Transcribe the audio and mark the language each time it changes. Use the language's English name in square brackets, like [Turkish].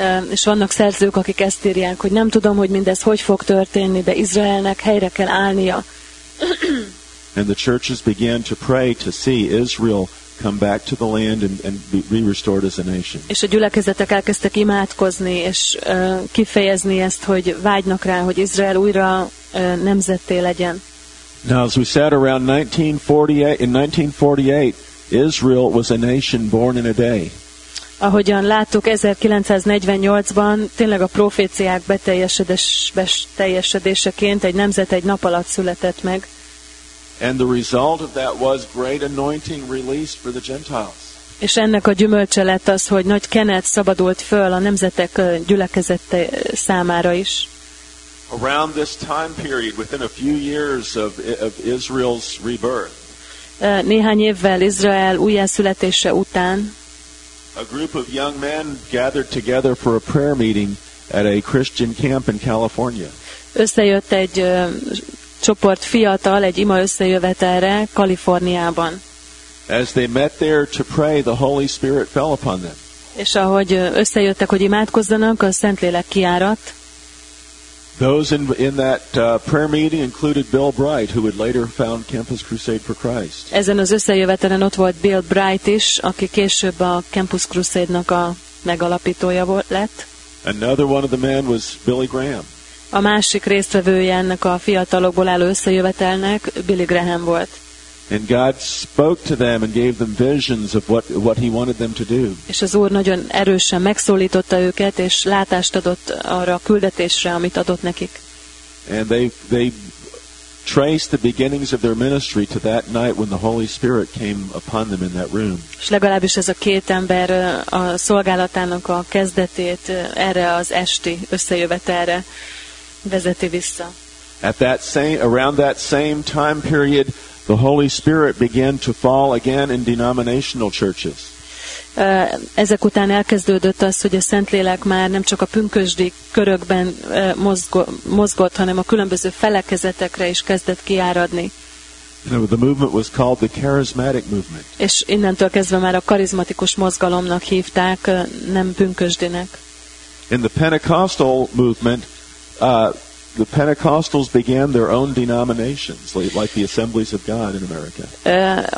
[Hungarian] És vannak szerzők, akik ezt írják, hogy nem tudom, hogy mindez hogy fog történni, de Izraelnek helyre kell állnia. [English] And the churches began to pray to see Israel come back to the land and be restored as a nation. [Hungarian] És a gyülekezetek elkezdtek imádkozni és kifejezni ezt, hogy vágynak rá, hogy Izrael újra nemzetté legyen. [English] Now, as we said, around 1948, Israel was a nation born in a day. [Hungarian] Ahogyan láttuk, 1948-ban tényleg a proféciák beteljesedéseként egy nemzet egy nap alatt született meg. [English] And the result of that was great anointing released for the Gentiles. [Hungarian] És ennek a gyümölcse lett az, hogy nagy kenet szabadult föl a nemzetek gyülekezete számára is. [English] Around this time period, within a few years of Israel's rebirth, [Hungarian] néhány évvel Izrael újjászületése után, [English] a group of young men gathered together for a prayer meeting at a Christian camp in California. [Hungarian] Összejött egy csoport fiatal, egy ima összejövetelre Kaliforniában. [English] As they met there to pray, the Holy Spirit fell upon them. [Hungarian] És ahogy összejöttek, hogy imádkozzanak, a Szentlélek kiáradt. [English] Those in that prayer meeting included Bill Bright, who would later found Campus Crusade for Christ. [Hungarian] Ezen az összejövetelen ott volt Bill Bright is, aki később a Campus Crusade-nak a megalapítója lett. [English] Another one of the men was Billy Graham. [Hungarian] A másik résztvevője ennek a fiatalokból álló összejövetelnek Billy Graham volt. [English] And God spoke to them and gave them visions of what he wanted them to do. [Hungarian] És az Úr nagyon erősen megszólította őket, és látást adott arra a küldetésre, amit adott nekik. [English] And they traced the beginnings of their ministry to that night when the Holy Spirit came upon them in that room. [Hungarian] És legalábbis ez a két ember a szolgálatának a kezdetét erre az esti összejövetelre vezeti vissza. [English] At that same, around that same time period, the Holy Spirit began to fall again in denominational churches. [Hungarian] Ezek után elkezdődött az, hogy a Szentlélek már nem csak a pünkösdi körökben mozgott, hanem a különböző felekezetekre is kezdett kiáradni. [English] You know, the movement was called the charismatic movement. [Hungarian] És innentől kezdve már a karizmatikus mozgalomnak hívták, nem pünkösdinek. [English] In the Pentecostal movement, the Pentecostals began their own denominations, like the Assemblies of God in America.